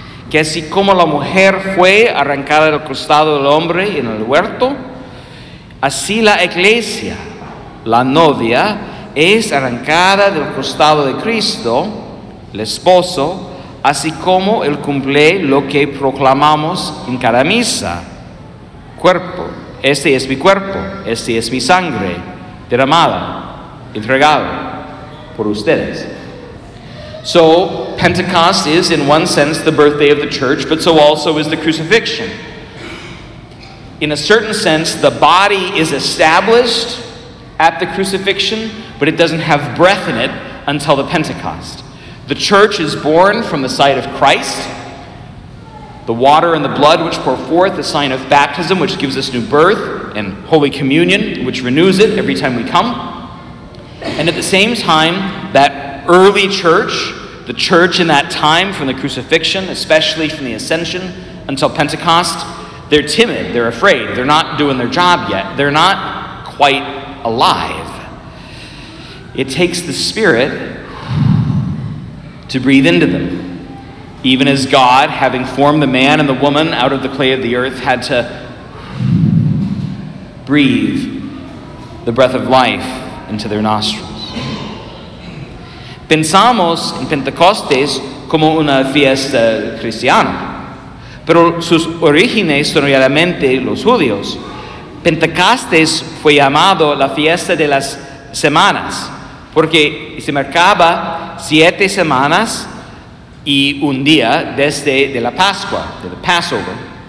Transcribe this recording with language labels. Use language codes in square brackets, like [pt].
[es] que así como la mujer fue arrancada del costado del hombre en el huerto, así la iglesia, la novia, es arrancada del costado de Cristo, el esposo, así como él cumple lo que proclamamos en cada misa. Cuerpo, este es mi cuerpo, este es mi sangre, derramada, entregada por ustedes. [en] So, Pentecost is, in one sense, the birthday of the church, but so also is the crucifixion. In a certain sense, the body is established at the crucifixion, but it doesn't have breath in it until the Pentecost. The church is born from the side of Christ. The water and the blood which pour forth, the sign of baptism, which gives us new birth, and Holy Communion, which renews it every time we come. And at the same time, that early church, the church in that time from the crucifixion, especially from the ascension until Pentecost, they're timid, they're afraid, they're not doing their job yet, they're not quite alive. It takes the Spirit to breathe into them. Even as God, having formed the man and the woman out of the clay of the earth, had to breathe the breath of life into their nostrils. [es] Pensamos en Pentecostés como una fiesta cristiana, pero sus orígenes son realmente los judíos. Pentecostés fue llamado la fiesta de las semanas, porque se marcaba 7 semanas y un día desde de la Pascua, de la Passover.